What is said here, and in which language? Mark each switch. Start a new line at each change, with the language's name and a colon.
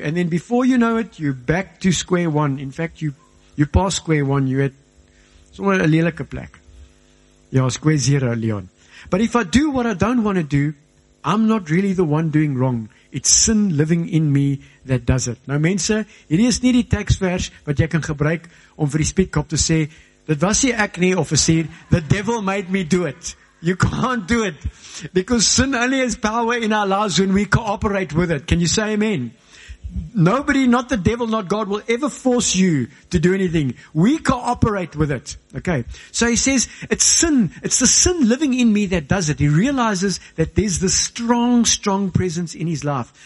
English: And then before you know it, you're back to square one. In fact, you're past square one. You're at somewhere a
Afrikaans: lelike plek.
English: You're square zero, Leon. But if I do what I don't want to do, I'm not really the one doing wrong. It's sin living in me that does it.
Afrikaans: Nou mense, hierdie is nie die teksvers wat jy kan gebruik om vir die spiekkop te sê, dit was nie ek nie, of sê,
English: the devil made me do it. You can't do it. Because sin only has power in our lives when we cooperate with it. Can you say amen? Nobody, not the devil, not God, will ever force you to do anything. We cooperate with it. Okay. So he says, it's sin. It's the sin living in me that does it. He realizes that there's this strong, strong presence in his life.